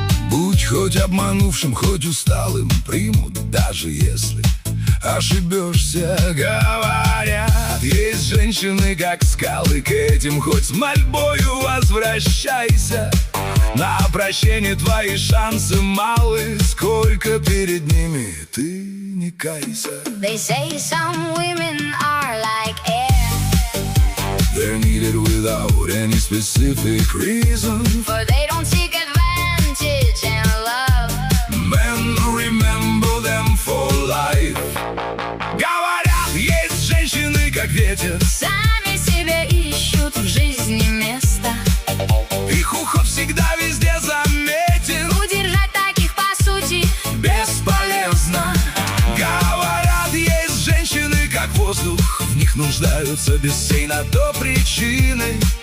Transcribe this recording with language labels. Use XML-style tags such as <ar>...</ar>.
<ru>Будь хоть обманувшим, хоть усталым, примут, даже если ошибешься. Говорят, есть женщины, как скалы, к этим хоть с мольбою возвращайся. На прощение твои шансы малы, сколько перед ними ты не кайся.</ru> <en>They say some women are like air. They're needed without any specific reason. For they don't seek advantage in love. Men remember them for life.</en> <ru>Говорят, есть женщины, как ветер, сами себе ищут в жизни места. Их ухо всегда везде заметен. Удержать таких, по сути, бесполезно. Говорят, есть женщины, как воздух, нуждаются без всей на то причины.</ru>